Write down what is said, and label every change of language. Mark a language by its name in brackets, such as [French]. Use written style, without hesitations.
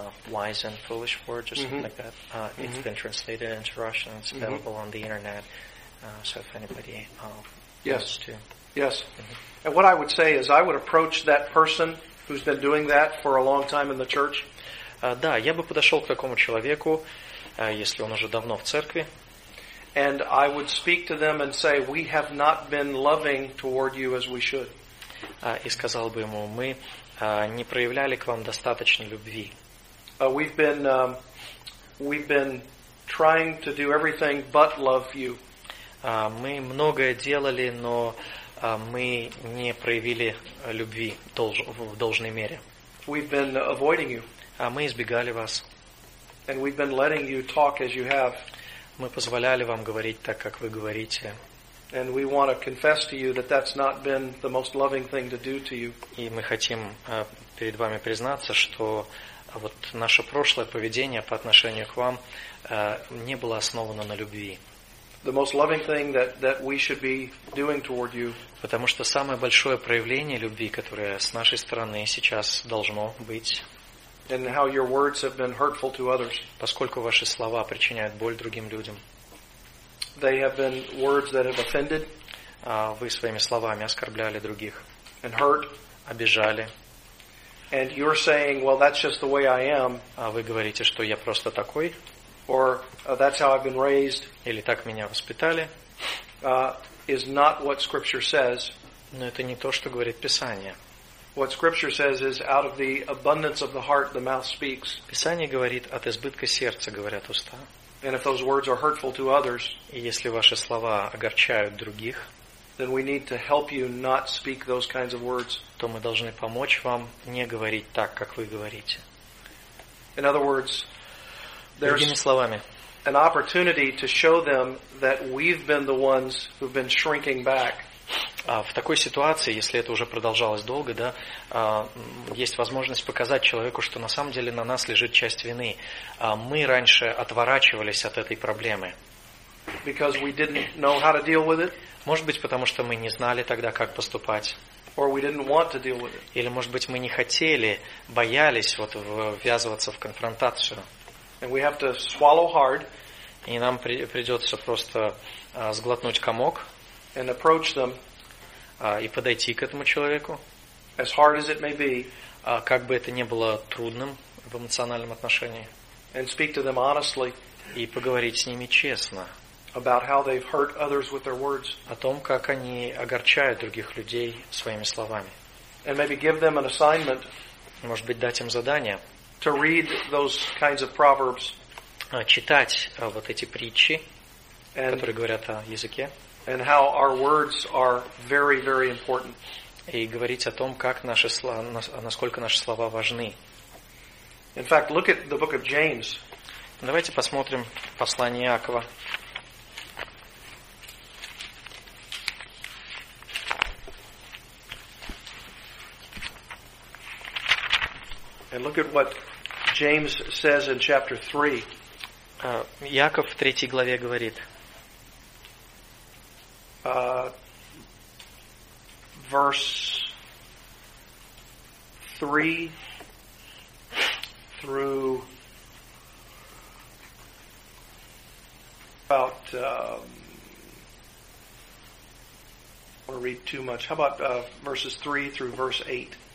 [English] Wise and foolish words, or something like that. Mm-hmm. It's been translated into Russian. It's available on the internet. So if anybody yes. wants to. Yes. Mm-hmm. And what I would say is I would approach that person who's been doing that for a long time in the church. [Russian] Да, я бы подошел к такому человеку, если он уже давно в церкви. [English] And I would speak to them and say, we have not been loving toward you as we should. [Russian] И сказал бы ему, мы не проявляли к вам достаточно любви. [English] We've been trying to do everything but love you. [Russian] Мы многое делали, но мы не проявили любви в должной мере. [English] We've been avoiding you. [Russian] Мы избегали вас. [English] And we've been letting you talk as you have. [Russian] Мы позволяли вам говорить так, как вы говорите. [English] And we want to confess to you that that's not been the most loving thing to do to you. [Russian] И мы хотим перед вами признаться, что вот наше прошлое поведение по отношению к вам не было основано на любви. [English] The most loving thing that we should be doing toward you. [Russian] Потому что самое большое проявление любви, которое с нашей стороны сейчас должно быть. [English] And how your words have been hurtful to others. [Russian] Поскольку ваши слова причиняют боль другим людям. [English] They have been words that have offended. [Russian] Вы своими словами оскорбляли других. [English] And hurt. [Russian] Обижали. [English] And you're saying, well, that's just the way I am. [Russian] Вы говорите, что я просто такой. [English] Or that's how I've been raised. [Russian] Или так меня воспитали. [English] Is not what Scripture says. [Russian] Но это не то, что говорит Писание. [English] What Scripture says is, out of the abundance of the heart, the mouth speaks. [Russian] Писание говорит, от избытка сердца говорят уста. [English] And if those words are hurtful to others, [Russian] и если ваши слова огорчают других, [English] then we need to help you not speak those kinds of words. [Russian] То мы должны помочь вам не говорить так, как вы говорите. [English] In other words, [Russian] другими словами, [English] an opportunity to show them that we've been the ones who've been shrinking back. [Russian] В такой ситуации, если это уже продолжалось долго, да, есть возможность показать человеку, что на самом деле на нас лежит часть вины. Мы раньше отворачивались от этой проблемы. [English] Because we didn't know how to deal with it. [Russian] Может быть, потому что мы не знали тогда, как поступать. [English] Or we didn't want to deal with it. [Russian] Или, может быть, мы не хотели, боялись вот ввязываться в конфронтацию. [English] And we have to swallow hard. [Russian] И нам придется просто сглотнуть комок. [English] And approach them. [Russian] И подойти к этому человеку. [English] As hard as it may be. [Russian] Как бы это ни было трудным в эмоциональном отношении. [English] And speak to them honestly. [Russian] И поговорить с ними честно. [English] About how they've hurt others with their words. [Russian] О том, как они огорчают других людей своими словами. [English] And maybe give them an assignment. [Russian] Может быть, дать им задание. [English] To read those kinds of proverbs. [Russian] Читать вот эти притчи, которые говорят о языке. [English] And how our words are very, very important. [Russian] И говорить о том, как наши слова, насколько наши слова важны. [English] In fact, look at the book of James. [Russian] Давайте посмотрим послание Иакова. [English] And look at what James says in chapter 3. [Russian] Яков в третьей главе говорит. [English] Verses 3 through verse 8.